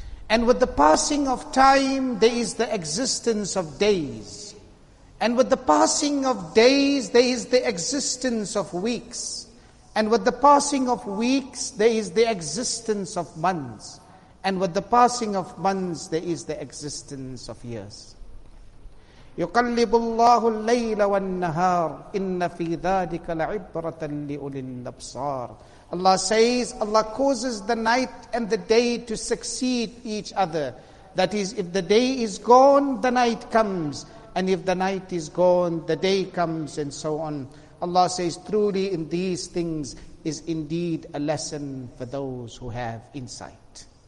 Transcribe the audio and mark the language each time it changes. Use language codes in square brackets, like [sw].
[en] And with the passing of time, there is the existence of days. And with the passing of days, there is the existence of weeks. And with the passing of weeks, there is the existence of months. And with the passing of months, there is the existence of years. [ar] يقلب الله الليل والنهار إن في ذلك لعبرة لأولي الأبصار. [en] Allah says, Allah causes the night and the day to succeed each other. That is, if the day is gone, the night comes. And if the night is gone, the day comes, and so on. Allah says, truly in these things is indeed a lesson for those who have insight.